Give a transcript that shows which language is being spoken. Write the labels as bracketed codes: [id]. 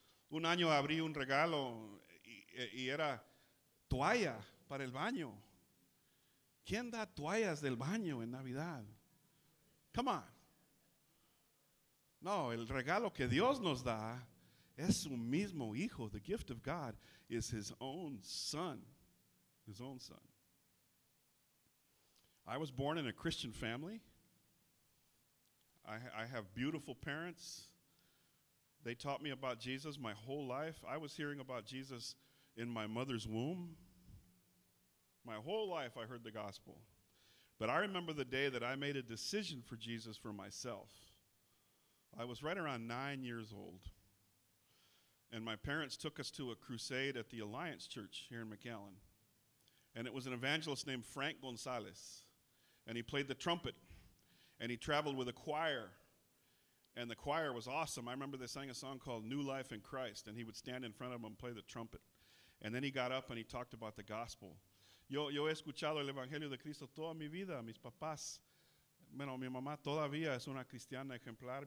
[es] Un año abrí un regalo y era toalla para el baño. ¿Quién da toallas del baño en Navidad? [en] Come on. [es] No, el regalo que Dios nos da es su mismo hijo. [en] The gift of God is his own son. His own son. I was born in a Christian family. I have beautiful parents. They taught me about Jesus my whole life. I was hearing about Jesus in my mother's womb. My whole life I heard the gospel. But I remember the day that I made a decision for Jesus for myself. I was right around 9 years old. And my parents took us to a crusade at the Alliance Church here in McAllen. And it was an evangelist named Frank Gonzalez. And he played the trumpet. And he traveled with a choir. And the choir was awesome. I remember they sang a song called New Life in Christ. And he would stand in front of them and play the trumpet. And then he got up and he talked about the gospel. [es] Yo he escuchado el Evangelio de Cristo toda mi vida. Mis papás, bueno, mi mamá todavía es una cristiana ejemplar.